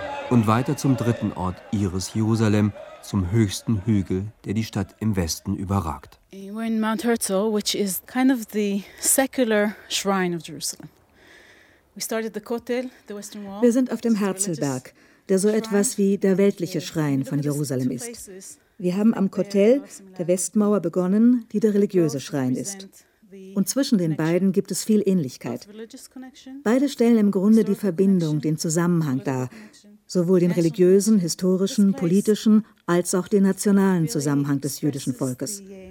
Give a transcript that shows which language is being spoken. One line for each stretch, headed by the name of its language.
German: Und weiter zum dritten Ort ihres Jerusalem, zum höchsten Hügel, der die Stadt im Westen überragt.
English: We're in Mount Herzl, which is kind of the secular shrine of Jerusalem. We started the Kotel, the Western Wall.
German: Wir sind auf dem Herzlberg, der so etwas wie der weltliche Schrein von Jerusalem ist. Wir haben am Kotel, der Westmauer, begonnen, die der religiöse Schrein ist. Und zwischen den beiden gibt es viel Ähnlichkeit. Beide stellen im Grunde die Verbindung, den Zusammenhang dar, sowohl den religiösen, historischen, politischen als auch den nationalen Zusammenhang des jüdischen Volkes.